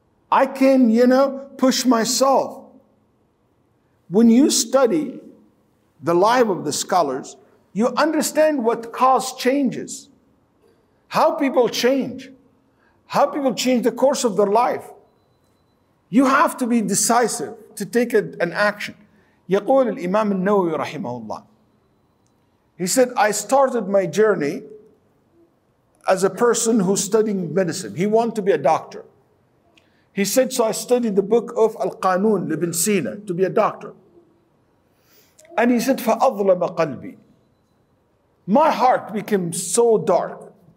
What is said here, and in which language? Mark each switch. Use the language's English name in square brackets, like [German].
[English] I can, you know, push myself. When you study the life of the scholars, you understand what caused changes, how people change, how people change the course of their life. You have to be decisive to take an action. [Arabic] يقول الإمام النووي رحمه الله. [English] He said, I started my journey as a person who's studying medicine. He wanted to be a doctor. He said, so I studied the book of Al-Qanun, Ibn Sina, to be a doctor. And he said, [Arabic] فَأَظْلَمَ قَلْبِي. [English] My heart became so dark.